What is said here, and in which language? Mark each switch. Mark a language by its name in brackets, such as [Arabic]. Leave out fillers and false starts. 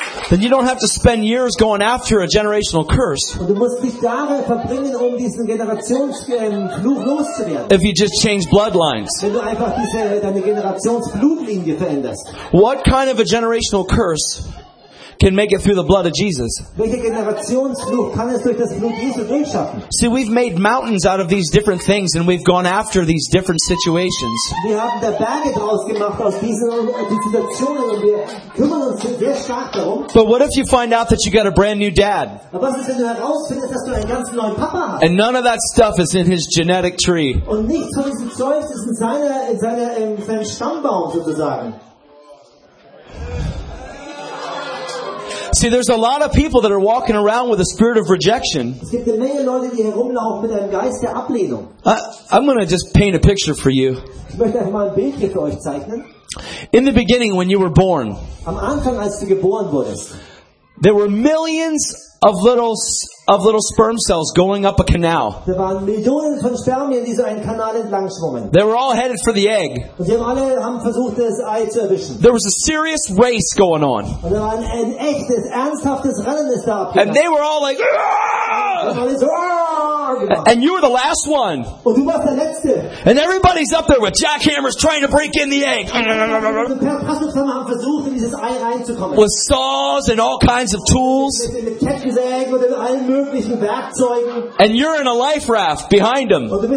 [English] Then you don't have to spend years going after a generational curse. If you just change bloodlines. What kind of a generational curse can make it through the blood of Jesus. [German] Welche Generationsflucht kann es durch das Blut Jesu durchschaffen? [English] See, we've made mountains out of these different things and we've gone after these different situations. [German] Wir haben da Berge draus gemacht aus diesen Situationen und wir kümmern uns sehr stark darum. [English] But what if you find out that you got a brand new dad? [German] Aber was ist, wenn du herausfindest, dass du einen ganz neuen Papa hast? [English] And none of that stuff is in his genetic tree. [German] Und nichts von diesem Zeug ist in seinem Stammbaum sozusagen. [English] See, there's a lot of people that are walking around with a spirit of rejection. [German] Es gibt eine Menge Leute, die herumlaufen mit einem Geist der Ablehnung. [English] I'm going to just paint a picture for you. [German] Ich möchte euch mal ein Bild hier für euch zeichnen. [English] In the beginning, when you were born, [German] am Anfang, als du geboren wurdest, [English] there were millions of little sperm cells going up a canal. [German] Da waren Millionen von Spermien, die so einen Kanal entlang schwommen. [English] They were all headed for the egg. [German] Und sie haben alle versucht, das Ei zu erwischen. [English] There was a serious race going on. [German] Und da war ein echtes, ernsthaftes Rennen ist da abgegangen. [English] And they were all like, and you were the last one. [German] Und du warst der Letzte. [English] And everybody's up there with jackhammers trying to break in the egg. With saws and all kinds of tools. And you're in a life raft behind them.